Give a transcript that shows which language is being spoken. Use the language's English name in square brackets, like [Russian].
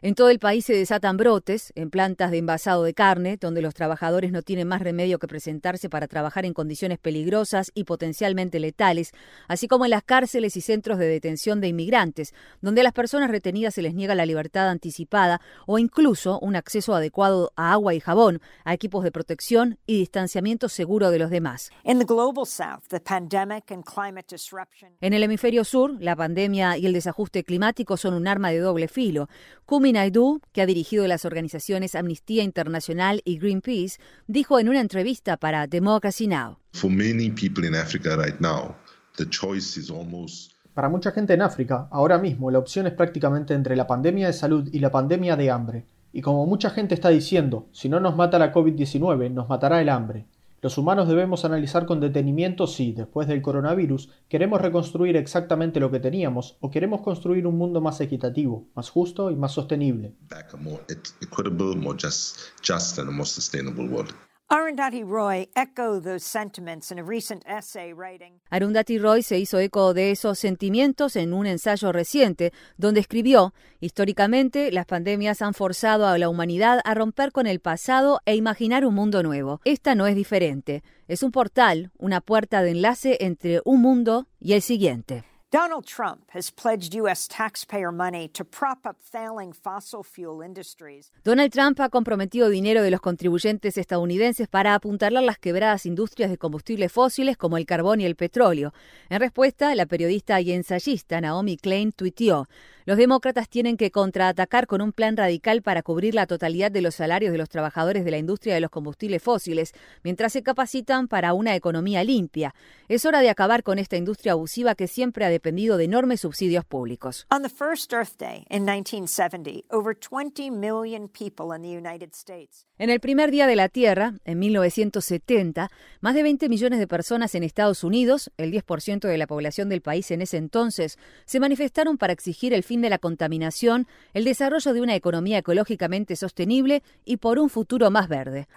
[Spanish] En todo el país se desatan brotes, en plantas de envasado de carne, donde los trabajadores no tienen más remedio que presentarse para trabajar en condiciones peligrosas y potencialmente letales, así como en las cárceles y centros de detención de inmigrantes, donde a las personas retenidas se les niega la libertad anticipada o incluso un acceso adecuado a agua y jabón, a equipos de protección y distanciamiento seguro de los demás. [English] In the global south, the pandemic and climate disruption. [Spanish] En el hemisferio sur, la pandemia y el desajuste climático son un arma de doble filo. Kumi Naidoo, que ha dirigido las organizaciones Amnistía Internacional y Greenpeace, dijo en una entrevista para Democracy Now. [English] For many people in Africa right now, the choice is almost... [Spanish] Para mucha gente en África, ahora mismo la opción es prácticamente entre la pandemia de salud y la pandemia de hambre. Y como mucha gente está diciendo, si no nos mata la COVID-19, nos matará el hambre. Los humanos debemos analizar con detenimiento si, después del coronavirus, queremos reconstruir exactamente lo que teníamos o queremos construir un mundo más equitativo, más justo y más sostenible. [English] Arundhati Roy echoed those sentiments in a recent essay writing. [Spanish] Arundhati Roy se hizo eco de esos sentimientos en un ensayo reciente, donde escribió: históricamente, las pandemias han forzado a la humanidad a romper con el pasado e imaginar un mundo nuevo. Esta no es diferente. Es un portal, una puerta de enlace entre un mundo y el siguiente. [English] Donald Trump has pledged U.S. taxpayer money to prop up failing fossil fuel industries. [Spanish] Donald Trump ha comprometido dinero de los contribuyentes estadounidenses para apuntalar las quebradas industrias de combustibles fósiles como el carbón y el petróleo. En respuesta, la periodista y ensayista Naomi Klein tuiteó: los demócratas tienen que contraatacar con un plan radical para cubrir la totalidad de los salarios de los trabajadores de la industria de los combustibles fósiles, mientras se capacitan para una economía limpia. Es hora de acabar con esta industria abusiva que siempre ha dependido de enormes subsidios públicos. [English] On the first Earth Day in 1970, over 20 million people in the United States. [Spanish] En el primer día de la Tierra, en 1970, más de 20 millones de personas en Estados Unidos, el 10% de la población del país en ese entonces, se manifestaron para exigir el fin de la contaminación, el desarrollo de una economía ecológicamente sostenible y por un futuro más verde.